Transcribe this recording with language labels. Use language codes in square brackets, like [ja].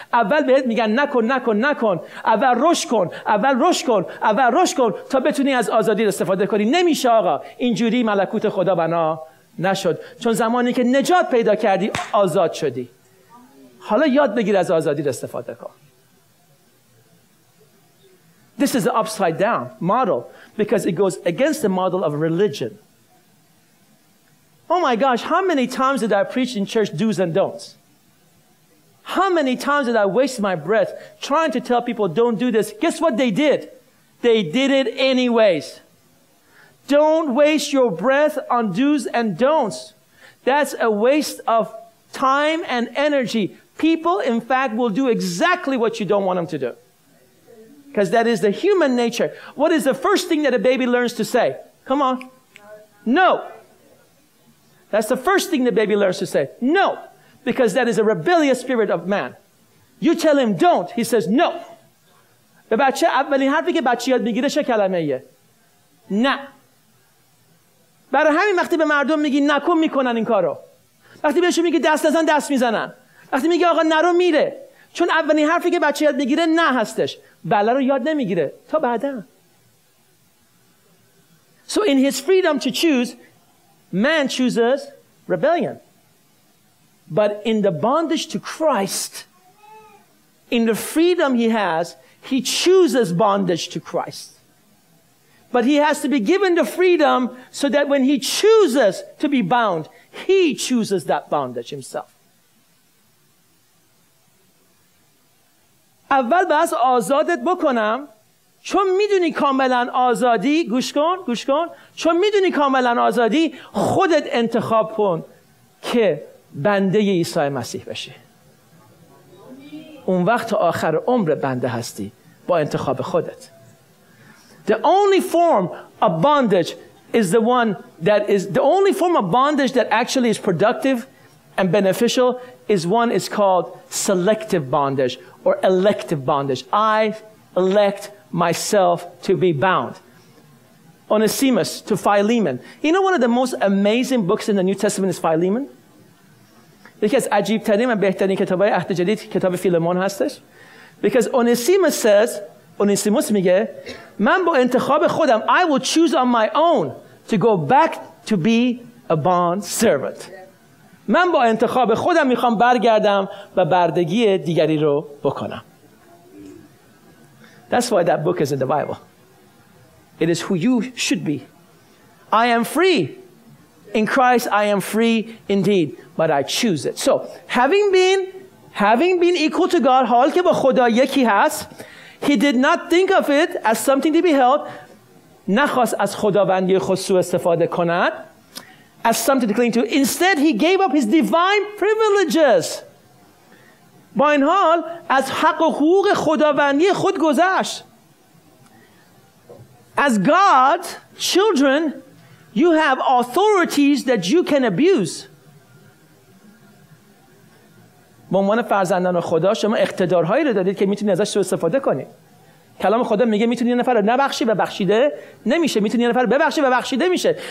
[fa] اول بهت میگن نکن نکن نکن، اول رشد کن، اول رشد کن، اول رشد کن تا بتونی از آزادی استفاده کنی. نمیشه آقا، اینجوری ملکوت خدا بنا نشد. چون زمانی که نجات پیدا کردی آزاد شدی. حالا یاد بگیر از آزادی استفاده کن. [en] This is an upside down model because it goes against the model of religion. Oh my gosh, how many times did I preach in church do's and don'ts? How many times did I waste my breath trying to tell people don't do this? Guess what they did? They did it anyways. Don't waste your breath on do's and don'ts. That's a waste of time and energy. People, in fact, will do exactly what you don't want them to do. Because that is the human nature. What is the first thing that a baby learns to say? Come on. No. That's the first thing the baby learns to say. No. Because that is a rebellious spirit of man. You tell him don't. He says no. [fa] به بچه اولین حرفی که بچه یاد میگیره چه کلمه یه؟ نه. برای همین وقتی به مردم میگی نکن میکنن این کارو. وقتی بهشون میگی دست نزن دست میزنن. وقتی میگی آقا نرو میره. چون اولین حرفی که بچه یاد میگیره نه هستش. بله رو یاد نمیگیره تا بعداً. [en] So in his freedom to choose, man chooses rebellion. But in the bondage to Christ, in the freedom he has, he chooses bondage to Christ. But he has to be given the freedom so that when he chooses to be bound, he chooses that bondage himself. [fa] اول باید آزادت بکنم، چون میدونی کاملا آزادی، گوش کن، چون میدونی کاملا آزادی، خودت انتخاب کن که بنده عیسی مسیح بشی. اون وقت آخر عمر بنده هستی با انتخاب خودت. [en] The only form of bondage is the one that is the only form of bondage that actually is productive and beneficial is one is called selective bondage or elective bondage. I elect myself to be bound. Onesimus to Philemon. You know, one of the most amazing books in the New Testament is Philemon. [fa] یکی از عجیبترین و بهترین کتابای عهد جدید کتاب فیلمون هستش. [en] Because Onesimus says, Onesimus [fa] میگه, من با انتخاب خودم, [en] I will choose on my own to go back to be a bond servant. [fa] من با انتخاب خودم میخوام برگردم و بردگی دیگری رو بکنم. [en] That's why that book is in the Bible. It is who you should be. I am free. In Christ, I am free indeed. But I choose it. So, having been equal to God, [fa] حال که با خدا یکی هست, [en] he did not think of it as something to be held, [fa] نخواست از خداوندی خود سوء استفاده کند, [en] as something to cling to. Instead, he gave up his divine privileges. [fa] با این حال, از حق و حقوق خداوندی خود گذشت. [en] As God, children, you have authorities that you can abuse. [fa] به عنوان فرزندان خدا شما اقتدارهایی رو دارید که میتونید ازش سوء استفاده کنید. کلام خدا میگه میتونید یه نفر رو نبخشی و بخشیده نمیشه. میتونید یه نفر رو ببخشی و بخشیده میشه.